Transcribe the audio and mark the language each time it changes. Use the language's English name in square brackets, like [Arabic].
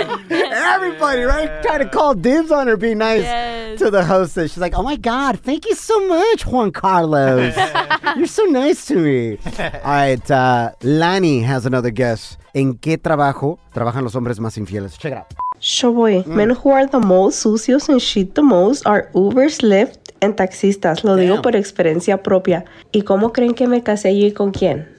[English] Everybody, right? Trying to call dibs on her, be nice to the hostess. She's like, oh my God, thank you so much, Juan Carlos. You're so nice to me. All right, Lani has another guess. [Spanish] ¿En qué trabajo trabajan los hombres más infieles? [English] Check it out. Showboy, men who are the most sucios and shit the most are Ubers, Lyft, and taxistas. [Spanish] Lo digo por experiencia propia. ¿Y cómo creen que me casé yo y con quién?